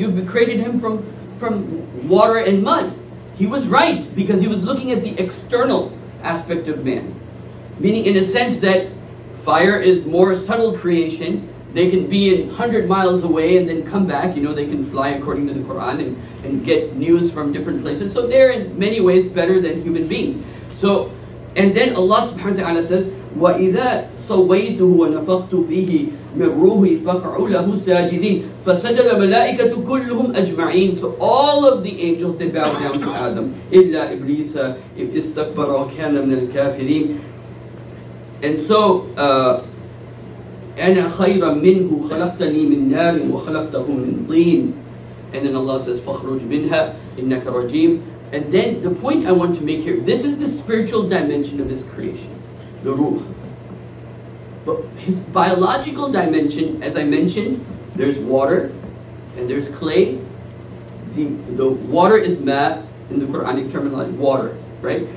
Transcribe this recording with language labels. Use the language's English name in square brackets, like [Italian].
[English] You've created him from water and mud. He was right, because he was looking at the external aspect of man. Meaning, in a sense that fire is more subtle creation. They can be 100 miles away and then come back. You know, they can fly according to the Quran and get news from different places. So they're in many ways better than human beings. So, and then Allah subhanahu wa ta'ala says, [Arabic] وَإِذَا سَوَّيْتُهُ وَنَفَخْتُ فِيهِ مِنْ رُوحِي فَقْعُوا لَهُ سَاجِدِينَ فَسَجَدَ الْمَلَائِكَةُ كُلُّهُمْ أَجْمَعِينَ. [English] So all of the angels, they bow down to Adam. [Arabic] إِلَّا إِبْلِيسَ إِذْ إِسْتَكْبَرَ وَكَانَ مِنَ الْكَافِرِينَ. [English] And so, [Arabic] أَنَا خَيْرًا مِّنْهُ خَلَقْتَنِي مِنْ نَارٍ وَخَلَقْتَهُ مِنْ طِينٍ. [English] And then Allah says, [Arabic] فَخْرُجْ مِنْهَا إِنَّكَ رَجِيمٌ. [English] And then the point I want to make here, this is the spiritual dimension of his creation, the ruh. But his biological dimension, as I mentioned, there's water and there's clay. The water is ma in the Quranic terminology, water, right?